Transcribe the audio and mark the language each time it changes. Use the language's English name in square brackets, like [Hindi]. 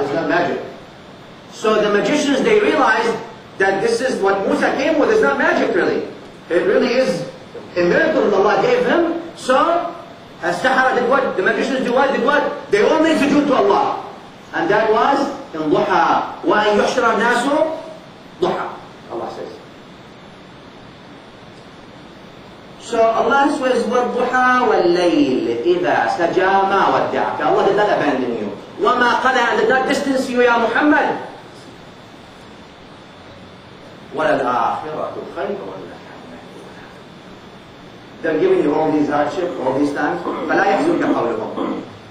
[English] This is not magic. So the magicians, they realized that this is what Musa came with. It's not magic, really. It really is a miracle that Allah gave him. So as-sahara did what? The magicians do what? Did what? They all made sujood to Allah. And that was in duha. [Arabic] وَأَنْ يُحْشَرَ النَّاسُ duha. [English] Allah says. So Allah says, [Arabic] وَالضُحَى وَاللَّيْلِ إِذَا سَجَى مَا وَدَّعَكَ. [English] Allah did not abandon you. [Arabic] وَمَا قَلَى [English] and did not distance you, ya Muhammad. [Arabic] وَلَلْآخِرَةُ خَيْرُ وَلَّحَمَّدُ. [English] They're giving you all these hardships, all these times. [Arabic] فَلَا يَحْزُنْكَ قَوْلُهُمْ.